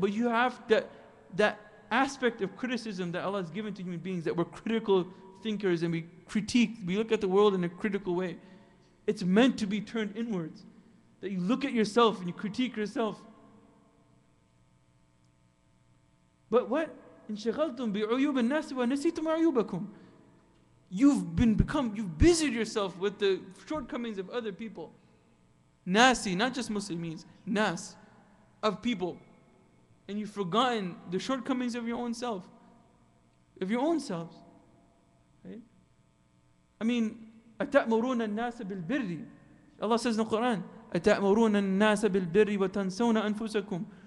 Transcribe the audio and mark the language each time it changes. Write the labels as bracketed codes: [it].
[en] But you have that aspect of criticism that Allah has given to human beings, that we're critical thinkers and we look at the world in a critical way. It's meant to be turned inwards. That you look at yourself and you critique yourself. But what? [ar] انشغلتم بعيوب الناس ونسيتم عيوبكم. [en] You've busied yourself with the shortcomings of other people. Nasi, not just Muslims, nas, of people. And you've forgotten the shortcomings of your own self. Of your own selves. I mean, [ar] أَتَأْمُرُونَ النَّاسَ بِالْبِرِّ. [en] Allah says in the Quran, [ar] أَتَأْمُرُونَ النَّاسَ بِالْبِرِّ وَتَنْسَوْنَ أَنفُسَكُمْ